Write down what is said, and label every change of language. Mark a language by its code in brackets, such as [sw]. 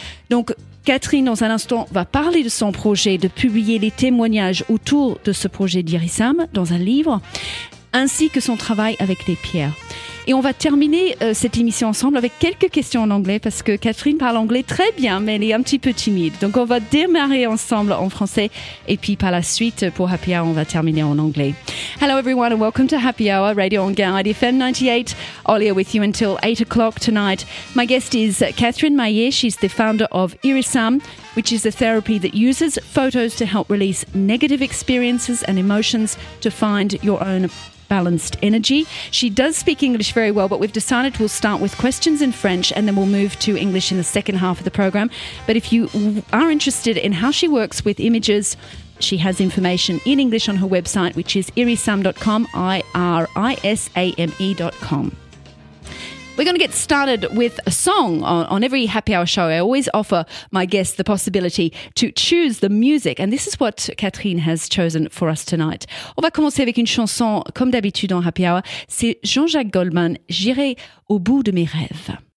[fr] Donc, Catherine, dans un instant, va parler de son projet de publier les témoignages autour de ce projet d'Irisam dans un livre, ainsi que son travail avec les pierres. Et on va terminer cette émission ensemble avec quelques questions en anglais, parce que Catherine parle anglais très bien, mais elle est un petit peu timide. Donc on va démarrer ensemble en français, et puis par la suite, pour Happy Hour, on va terminer en anglais. [en] Hello everyone, and welcome to Happy Hour, Radio Anguin, IDFM 98. Oléa with you until 8 o'clock tonight. My guest is Catherine Maillet, she's the founder of Irisam, which is a therapy that uses photos to help release negative experiences and emotions to find your own balanced energy. She does speak English very well, but we've decided we'll start with questions in French and then we'll move to English in the second half of the program. But if you are interested in how she works with images, she has information in English on her website, which is irisame.com, irisame.com. We're going to get started with a song. On every Happy Hour show, I always offer my guests the possibility to choose the music. And this is what Catherine has chosen for us tonight. [fr] On va commencer avec une chanson, comme d'habitude en Happy Hour. C'est Jean-Jacques Goldman, J'irai au bout de mes rêves.